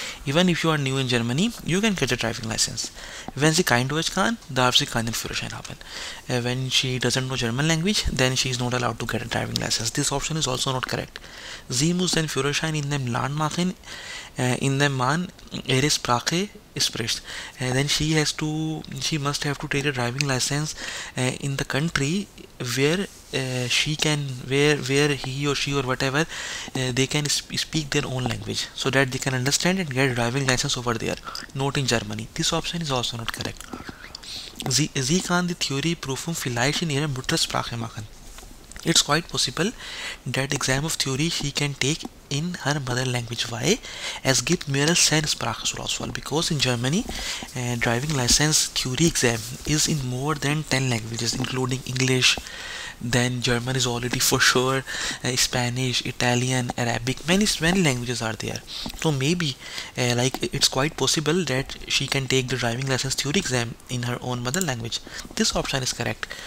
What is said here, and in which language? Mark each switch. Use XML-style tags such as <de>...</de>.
<en>Even if you are new in Germany, you can get a driving license.</en> <de>Wenn sie kein Deutsch kann, darf sie keinen Führerschein haben.</de> <en>When she doesn't know German language, then she is not allowed to get a driving license. This option is also not correct.</en> <de>Sie muss den Führerschein in dem Land machen, in dem Mann ihre Sprache spricht.</de> <en>Then she must have to take a driving license in the country where he or she or whatever they can speak their own language, so that they can understand and get a driving license over there, not in Germany. This option is also not correct.</en> <de>Sie kann die Theorie Prüfung vielleicht in ihrer Muttersprache machen.</de> <en>It's quite possible that exam of theory she can take in her mother language. Why?</en> <de>Es gibt mehr als eine Sprache zur Auswahl.</de> <en>Because in Germany, driving license theory exam is in more than 10 languages, including English. Then German is already for sure, Spanish, Italian, Arabic, many languages are there. So maybe it's quite possible that she can take the driving license theory exam in her own mother language. This option is correct.</en>